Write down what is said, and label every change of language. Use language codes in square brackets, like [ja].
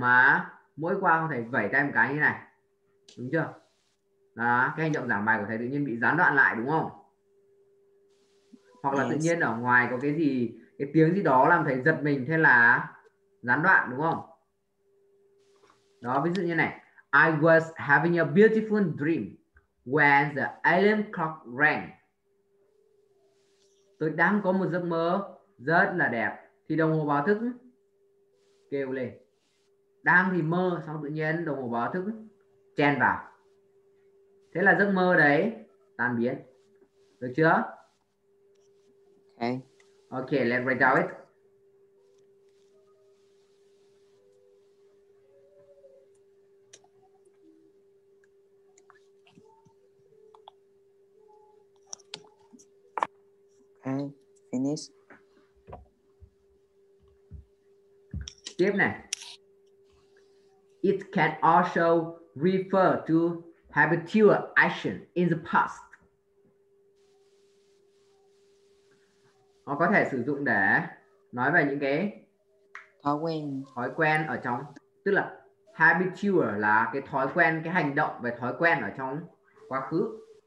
[vi] Mà mỗi qua không thể vẩy tay một cái như này. Đúng chưa? Đó, cái hành động giảng bài của thầy tự nhiên bị gián đoạn lại đúng không? Hoặc là tự nhiên ở ngoài có cái tiếng gì đó làm thầy giật mình, thế là gián đoạn đúng không? Đó, ví dụ như này. [en] I was having a beautiful dream when the alarm clock rang. [vi] Tôi đang có một giấc mơ rất là đẹp thì đồng hồ báo thức kêu lên. Đang thì mơ, xong tự nhiên đồng hồ báo thức chen vào. Thế là giấc mơ đấy tan biến. Được chưa? [en] Okay. Okay, let's write down it. Finish. [vi] Tiếp này. [en] It can also refer to habitual action in the past. [vi] Nó có thể sử dụng để nói về những cái thói quen ở trong, tức là habitual là cái thói quen, cái hành động về thói quen ở trong quá khứ.